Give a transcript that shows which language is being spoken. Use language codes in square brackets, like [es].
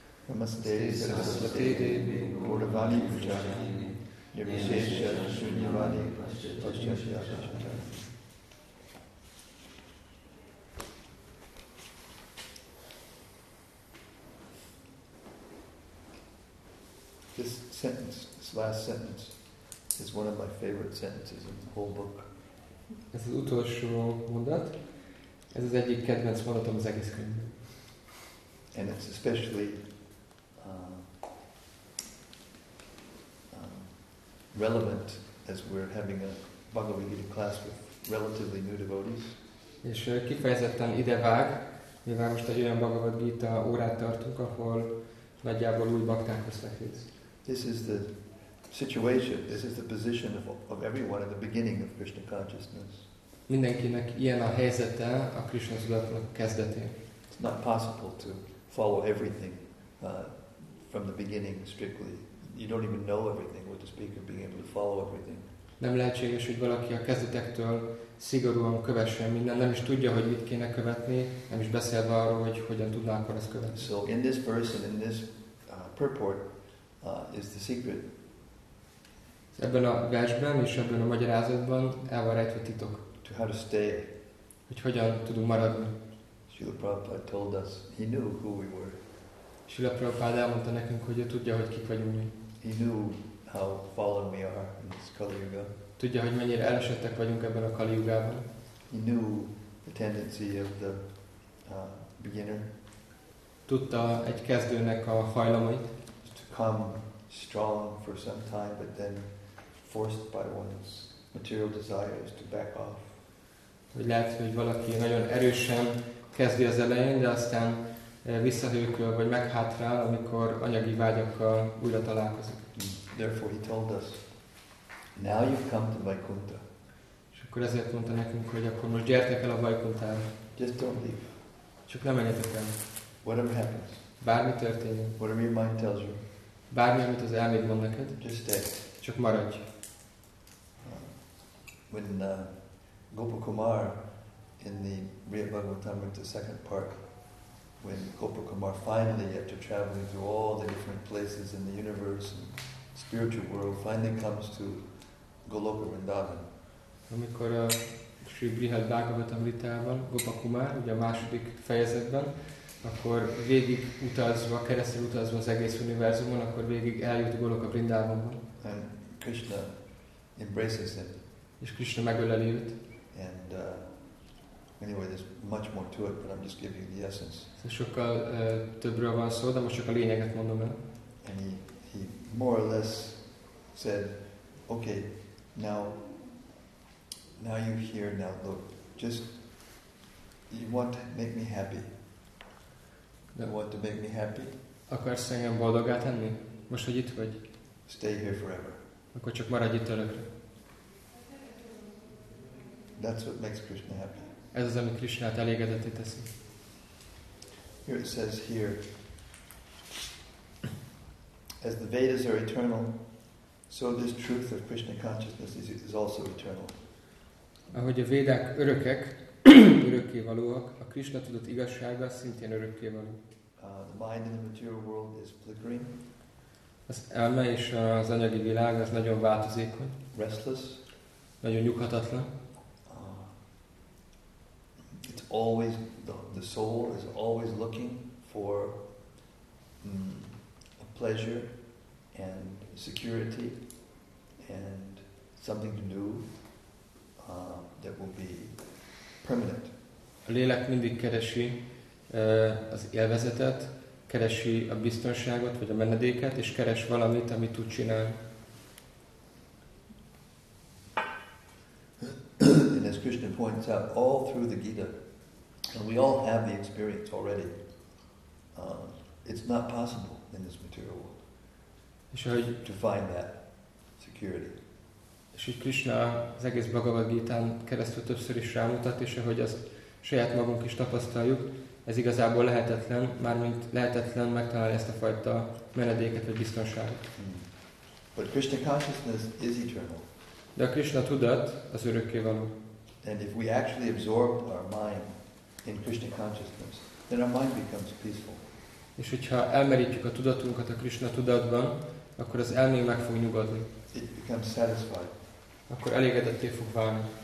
[sa] namaste saraswati devi gurvani pujani [en] This sentence, this last sentence, is one of my favorite sentences in the whole book. [hu] Ez az utolsó mondat. Ez az egyik kedvenc mondatom az egész könyvben. [en] And it's especially relevant as we're having a Bhagavad Gita class with relatively new devotees. [hu] És kifejezetten ide vág, mivel most egy olyan Bhagavad Gita órát tartunk, ahol nagyjából új baktákhoz fekvész. [en] This is the situation, this is the position of everyone at the beginning of Krishna consciousness. [hu] Mindenkinek ilyen a helyzete a Krishna tudatnak kezdetén. [en] It's not possible to follow everything from the beginning strictly. You don't even know everything with the speaker being able to follow everything. [hu] Nem lehetséges, hogy valaki a kezdetektől szigorúan kövessen minden, nem is tudja, hogy mit kéne követni, nem is beszélve arról, hogy hogyan tudná akkor ezt követni. [en] So in this verse and in this purport is the secret. [hu] Ebben a versben és ebben a magyarázatban el van rejtve titok. [en] To how to stay. [hu] Hogy hogyan tudunk maradni. [en] Srila Prabhupada told us, he knew who we were. [hu] Srila Prabhupada elmondta nekünk, hogy ő tudja, hogy kik vagyunk mi. [en] He knew how fallen we are in this Kali Yuga. [hu] Tudja, hogy mennyire elesettek vagyunk ebben a Kali Yugában. [en] He knew the tendency of the beginner. [hu] Tudta egy kezdőnek a hajlamait. [en] To come strong for some time, but then forced by one's material desires to back off. [hu] Hogy lehet, hogy valaki nagyon erősen kezdi az elején, de aztán visszahőköl, vagy meghátrál, amikor anyagi vágyakkal újra találkozik. [en] Therefore he told us, now you've come to Vaikuntha. [hu] És akkor ezért mondta nekünk, hogy akkor most gyertek el a Vaikunthára. [en] Just don't leave. [hu] Csak ne menjetek el. [en] Whatever happens. [hu] Bármi történik. [en] Whatever your mind tells you. [hu] Bármi, amit az elméd mond neked. [en] Just stay. [hu] Csak maradj. [en] When Gopakumar in the Bhagavatamrita second part, when Gopakumar finally, after traveling through all the different places in the universe and spiritual world, finally comes to Goloka Vrindavan. [hu] Amikor a Sri Brihad Bhagavatamritában, Gopakumar, ugye a második fejezetben, akkor végig utazva, keresztül utazva az egész univerzumon, akkor végig eljut Goloka Vrindavanban. [en] And Krishna embraces him. [hu] És Krishna megöleli őt. [en] And anyway, there's much more to it, but I'm just giving you the essence. [hu] Szóval sokkal többről van szó, de most csak a lényeget mondom el. [en] And he more or less said, okay, now you're here, now look, just, you want to make me happy. You want to make me happy? [hu] Akarsz engem boldoggá tenni? Most, hogy itt vagy? [en] Stay here forever. [hu] Akkor csak maradj itt örökre. [en] That's what makes Krishna happy. [hu] Ez az, ami Krisnát elégedetté teszi. [en] Here it says here, as the Vedas are eternal, so this truth of Krishna consciousness is also eternal. [hu] Ahogy a Védák örökek, örökké valóak, a Krisna tudat igazsága szintén örökké való. [en] The mind in the material world is flickering. [hu] Az elme és az anyagi világ az nagyon változékony. [en] Restless. [hu] Nagyon nyughatatlan. [en] Always the soul is always looking for a pleasure and security and something to do that will be permanent. [hu] A lélek mindig keresi az élvezetet, keresi a biztonságot, vagy a menedéket, és keres valamit, amit tud csinálni. [en] And as Krishna points out, all through the Gita, and we all have the experience already, it's not possible in this material world to find that security. [hu] És így Krishna az egész Bhagavad Gita-n keresztül többször is rámutat, és ahogy azt saját magunk is tapasztaljuk, ez igazából lehetetlen, mármint lehetetlen megtalálni ezt a fajta menedéket vagy biztonságot. [en] But Krishna consciousness is eternal. [hu] De a Krishna tudat az örökké való. [en] And if we actually absorb our mind in Krishna consciousness, then our mind becomes peaceful. [hu] És hogyha elmerítjük a tudatunkat a Krishna tudatban, akkor az elmény meg fog nyugodni. [en] It becomes satisfied. [hu] Akkor elégedetté fog válni.